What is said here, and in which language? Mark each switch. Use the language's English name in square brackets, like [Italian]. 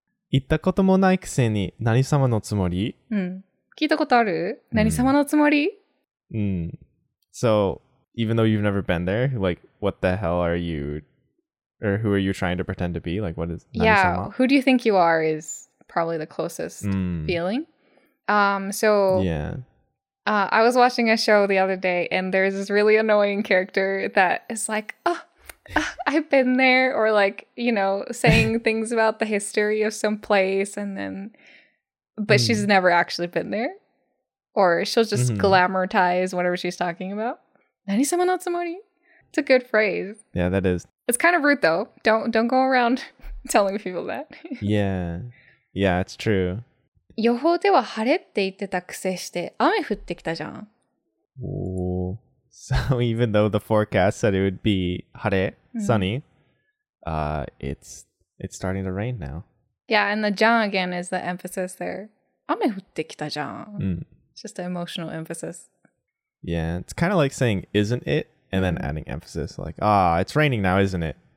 [Japanese] 行ったこともないくせに何様のつもり？うん。聞いたことある？何様のつもり？ [English] So, even though you've never been there, like, what the hell are you... Or who are you trying to pretend to be? Like, what is 何様? Yeah, who do you think you are is probably the closest feeling. I was watching a show the other day, and there's this really annoying character that is like, oh, I've been there, or like, you know, saying things about the history of some place, and then, but she's never actually been there, or she'll just glamorize whatever she's talking about. [Japanese] 何様のつもり? [English] It's a good phrase. Yeah, that is. It's kind of rude, though. Don't go around telling people that. Yeah. Yeah, it's true. [Japanese] 予報では晴れって言ってたくせして雨降ってきたじゃん。 [English] Ooh. So even though the forecast said it would be 晴れ、sunny, it's starting to rain now. Yeah, and the じゃん again is the emphasis there. [Japanese] 雨降ってきたじゃん。 [English] It's just an emotional emphasis. Yeah, it's kind of like saying, isn't it? And then adding emphasis like, ah, it's raining now, isn't it?